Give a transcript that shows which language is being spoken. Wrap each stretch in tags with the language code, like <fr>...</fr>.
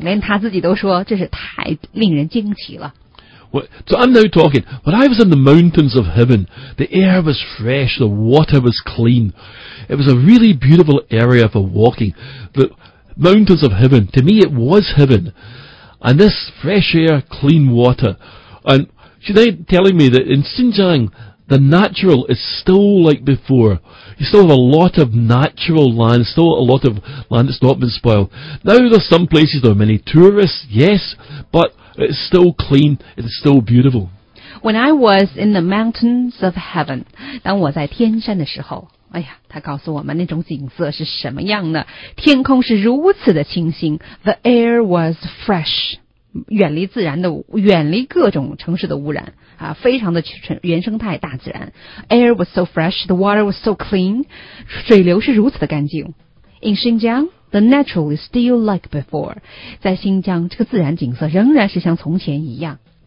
<zh>连他自己都说，这是太令人惊奇了。</zh> <en>So I'm now talking. When I was in the mountains of heaven, the air was fresh, the water was clean. It was a really beautiful area for walking. The mountains of heaven, to me, it was heaven. And this fresh air, clean water. And she's now telling me that in Xinjiang,The natural is still like before. You still have a lot of natural land, still a lot of land that's not been spoiled. Now there's some places, there are many tourists, yes, but it's still clean, it's still beautiful. When I was in the mountains of heaven,</en> <zh>当我在天山的时候，哎呀，他告诉我们那种景色是什么样呢？天空是如此的清新，</zh> <en>the air was fresh.</en> <zh>远离自然的，远离各种城市的污染啊，非常的原生态大自然。</zh> <en>Air was so fresh, the water was so clean.</en> <zh>水流是如此的干净。</zh> <en>In Xinjiang, the natural is still like before.</en> <zh>在新疆，这个自然景色仍然是像从前一样。</zh>